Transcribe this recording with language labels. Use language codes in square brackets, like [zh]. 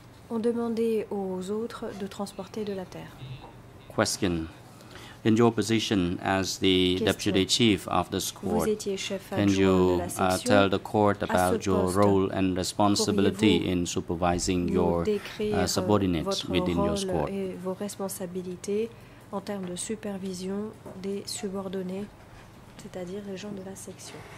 [fr] On demandait aux autres de transporter de la terre. [en] Question. In your position as the deputy chief of this court, can you tell the court about your role and responsibility in supervising your subordinates within your court? [fr] Et vos responsabilités en termes de supervision des subordonnés, c'est-à-dire les gens de la section.